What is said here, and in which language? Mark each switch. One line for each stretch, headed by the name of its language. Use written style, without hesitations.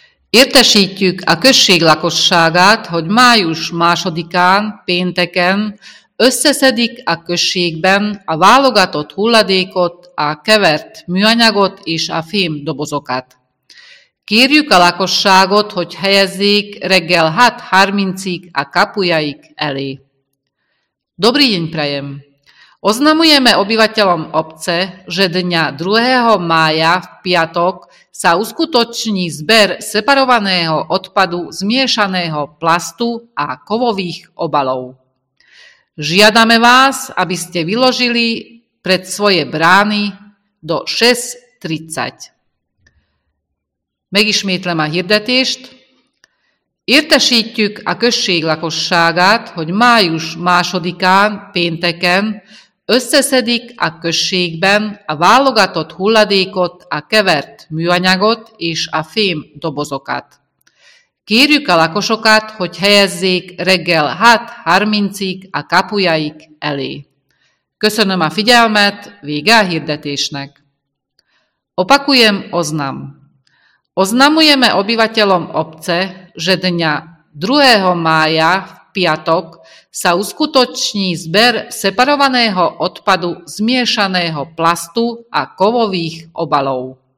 Hungarian: Értesítjük a község lakosságát, hogy május 2-án, pénteken összeszedik a községben a válogatott hulladékot, a kevert műanyagot és a fém dobozokat. Kérjük a lakosságot, hogy helyezzék reggel 6:30-ig a kapujaik elé.
Slovak: Dobrý deň prajem! Oznamujeme obyvateľom obce, že dňa 2. mája v piatok sa uskutoční zber separovaného odpadu zmiešaného plastu a kovových obalov. Žiadame vás, aby ste vyložili pred svoje brány do 6:30.
Hungarian: Megismétlem a hirdetést. Értesítjük a község lakosságát, hogy május 2-án, pénteken összeszedik a községben a válogatott hulladékot, a kevert műanyagot és a fém dobozokat. Kérjük a lakosokat, hogy helyezzék reggel 6:30-ig a kapujaik elé. Köszönöm a figyelmet, vége a hirdetésnek.
Slovak: Opakujem oznam. Oznamujeme obyvateľom obce, že dňa 2. mája piatok sa uskutoční zber separovaného odpadu zmiešaného plastu a kovových obalov.